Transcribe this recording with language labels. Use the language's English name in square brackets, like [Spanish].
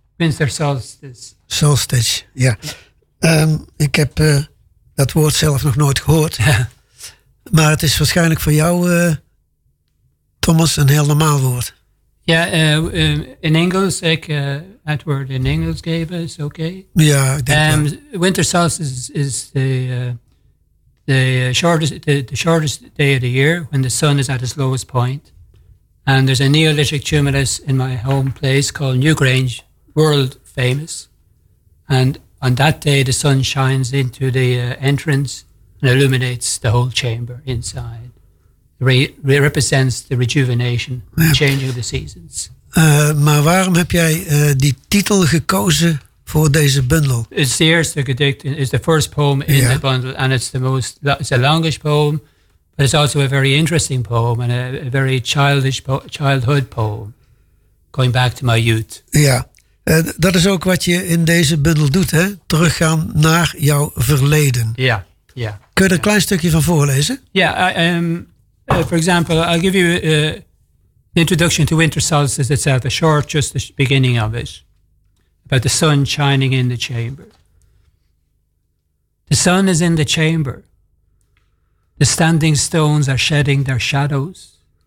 [Dutch] Wintersolstitje, ja. Ik heb dat woord zelf nog nooit gehoord. Maar het is waarschijnlijk voor jou, Thomas, een heel normaal woord. Ja, in Engels, ik het woord in Engels geven, is oké. Okay. Ja, ik denk [English] Winter solstice is the shortest day of the year when the sun is at its lowest point. And there's a Neolithic tumulus in my home place called Newgrange, world famous. And on that day, the sun shines into the entrance and illuminates the whole chamber inside. Represents the rejuvenation, the changing of the seasons. [Dutch] Maar waarom heb jij die titel gekozen voor deze bundel? [English] It's the [Dutch] eerste gedicht, [English] it's the first poem in the bundle, and it's the longest poem, but it's also a very interesting poem and a very childhood poem, going back to my youth. [Dutch] Ja, dat is ook wat je in deze bundel doet, hè? Teruggaan naar jouw verleden. Ja, yeah. Ja. Yeah. Kun je een klein stukje van voorlezen? [English] Ja, yeah, for example, I'll give you an introduction to Winter Solstice itself, a short, just the beginning of it, about the sun shining in the chamber. The sun is in the chamber. The standing stones are shedding their shadows.